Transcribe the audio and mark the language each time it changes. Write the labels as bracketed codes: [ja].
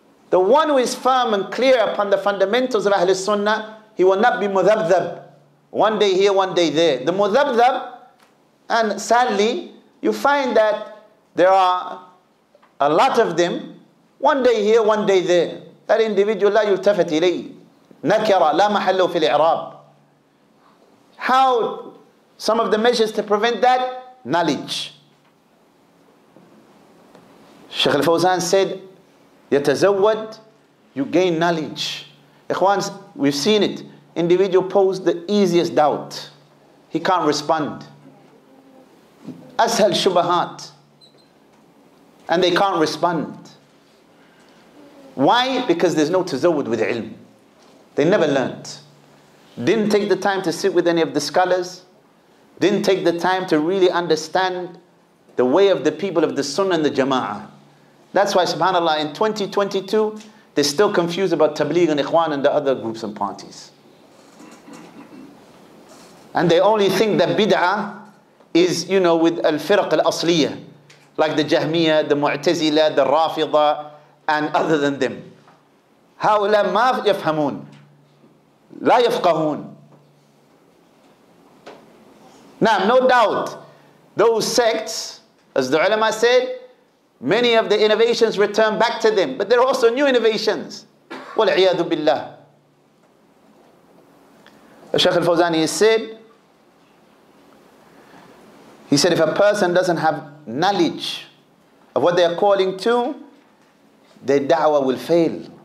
[en] The one who is firm and clear upon the fundamentals of Ahlul Sunnah, he will not be mudhabdhab. One day here, one day there. The mudhabdhab, and sadly, you find that there are a lot of them, one day here, one day there. [ar] That individual, لا يلتفت إليه. نكرة, لا محلو في الإعراب. [en] How some of the measures to prevent that? Knowledge. Shaykh al-Fawzan said, yatazawwad, you gain knowledge. Ikhwans, we've seen it. Individual pose the easiest doubt. He can't respond. Ashal shubahat. And they can't respond. Why? Because there's no tazawwad with ilm. They never learned. Didn't take the time to sit with any of the scholars. Didn't take the time to really understand the way of the people of the sunnah and the jama'ah. That's why, subhanAllah, in 2022, they're still confused about tabligh and ikhwan and the other groups and parties. And they only think that bid'ah is, you know, with al-firq al-asliyah. like the Jahmiyyah, the Mu'tazila, the Rafida, and other than them. [ar] هؤلاء ما يفهمون لا يفقهون. [en] Now, no doubt, those sects, as the ulama said, many of the innovations return back to them, but there are also new innovations. وَالْعِيَادُ بِاللَّهِ Shaykh al-Fawzani said, he said, if a person doesn't have knowledge of what they are calling to, their da'wah will fail.